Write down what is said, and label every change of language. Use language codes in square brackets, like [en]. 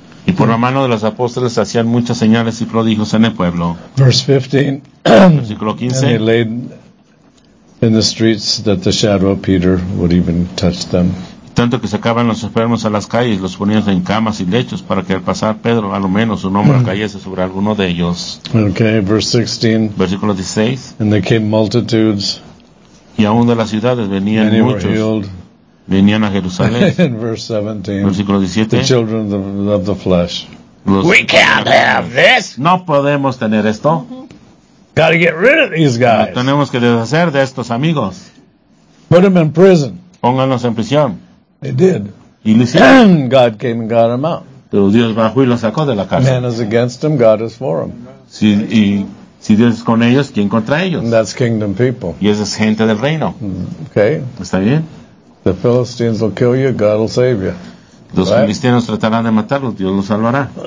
[es] Y por la mano de los apóstoles hacían muchas señales y prodigios en el pueblo. [en] Verse [es] 15. Versículo 15. [en] And they laid in the streets that the shadow of Peter would even touch them. [es] Tanto que sacaban los enfermos a las calles, los ponían en camas y lechos para que al pasar Pedro, a lo menos su nombre cayese sobre alguno de ellos. [en] Okay, verse 16. [es] Versículo 16. [en] And there came multitudes. [es] Y aún de las ciudades venían [en] many [es] muchos. [en] Were healed. [es] Venían a Jerusalén. [en] In verse 17. [es] Versículo 17. [en] The children of the flesh. [es] Los [en] we can't have this. [es] No podemos tener esto. [en] Gotta get rid of these guys. [es] No tenemos que deshacer de estos amigos. [en] Put them in prison. [es] Pónganlos en prisión. [en] They did. [es] Y lo hicieron. [en] God came and got them out. [es] Pero Dios bajó y los sacó de la cárcel. [en] Man is against them, God is for them. [es] Si Dios es con ellos, ¿quién contra ellos? [en] And that's kingdom people. [es] Y esa es gente del reino. [en] Okay. [es] ¿Está bien? [en] The Philistines will kill you, God will save you. [es] Los filisteos tratarán de matarlos, Dios los salvará.